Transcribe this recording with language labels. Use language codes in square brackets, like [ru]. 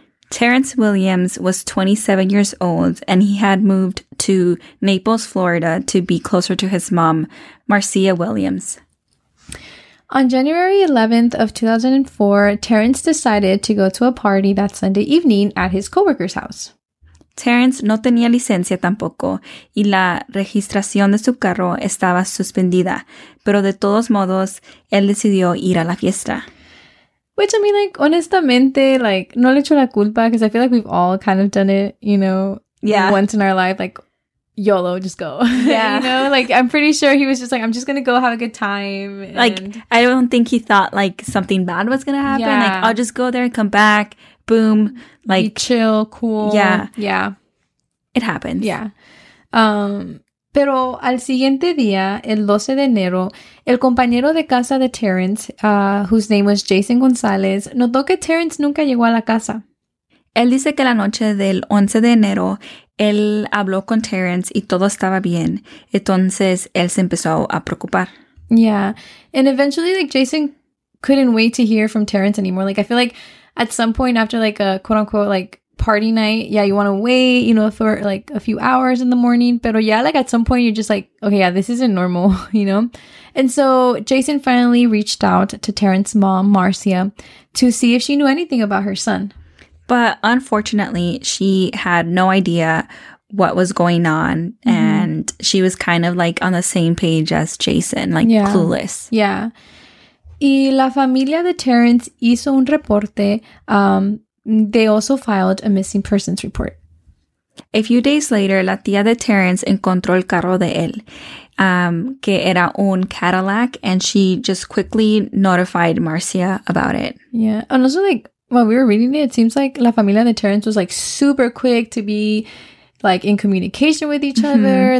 [en] Terrence Williams was 27 years old, and he had moved to Naples, Florida, to be closer to his mom, Marcia Williams. On January 11th of 2004, Terrence decided to go to a party that Sunday evening at his coworker's house. [es] Terrence no tenía licencia tampoco, y la registración de su carro estaba suspendida, pero de todos modos, él decidió ir a la fiesta. [en] Which, I mean, like, honestamente, like, [es] no le echo la culpa, [en] because I feel like we've all kind of done it, you know, yeah. once in our life, like, YOLO, just go. Yeah. You know, like, I'm pretty sure he was just like, I'm just going to go have a good time. And... like, I don't think he thought, like, something bad was going to happen. Yeah. Like, I'll just go there and come back. Boom. Like, be chill, cool. Yeah. Yeah. It happened. Yeah. [es] Pero al siguiente día, el 12 de enero, el compañero de casa de Terrence, [en] whose name was Jason González, [es] notó que Terrence nunca llegó a la casa. Él dice que la noche del 11 de enero, él habló con Terrence y todo estaba bien. Entonces, él se empezó a preocupar. [en] Yeah. And eventually, like, Jason couldn't wait to hear from Terrence anymore. Like, I feel like at some point after, like, a quote-unquote, like, party night, yeah, you want to wait, you know, for like a few hours in the morning, pero yeah, like at some point you're just like, okay, yeah, this isn't normal, you know. And so Jason finally reached out to Terrence's mom, Marcia, to see if she knew anything about her son, but unfortunately she had no idea what was going on. Mm-hmm. And she was kind of like on the same page as Jason, like yeah. clueless. Yeah. [es] Y la familia de Terrence hizo un reporte. [en] They also filed a missing persons report. A few days later, [es] la tía de Terrence encontró el carro de él, que era un Cadillac, [en] and she just quickly notified Marcia about it. Yeah, and also, like, while we were reading it, it seems like [es] la familia de Terrence [en] was, like, super quick to be, like, in communication with each mm-hmm. other.